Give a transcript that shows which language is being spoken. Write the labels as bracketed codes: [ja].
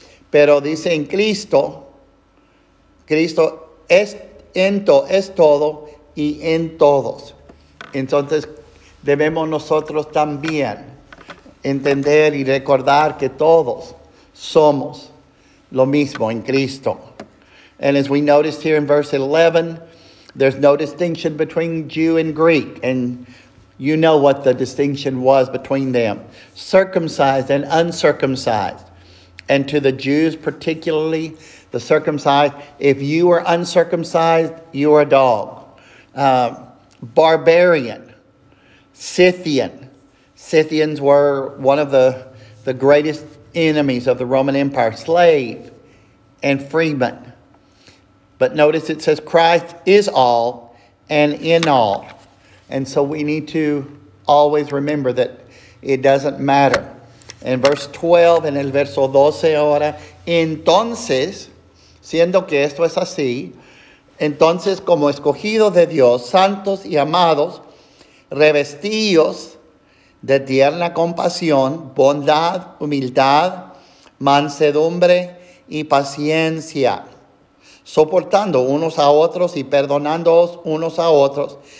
[es] Pero dice en Cristo es todo y en todos. Entonces, debemos nosotros también entender y recordar que todos somos lo mismo en Cristo. [en] And as we noticed here in verse 11, there's no distinction between Jew and Greek. And you know what the distinction was between them. Circumcised and uncircumcised. And to the Jews particularly, the circumcised, if you were uncircumcised, you were a dog. Barbarian. Scythian. Scythians were one of the greatest enemies of the Roman Empire. Slave and freeman. But notice it says Christ is all and in all. And so we need to always remember that it doesn't matter. In verse 12, [es] en el verso 12 ahora, entonces, siendo que esto es así, entonces como escogidos de Dios, santos y amados, revestidos de tierna compasión, bondad, humildad, mansedumbre y paciencia, soportando unos a otros y perdonándoos unos a otros.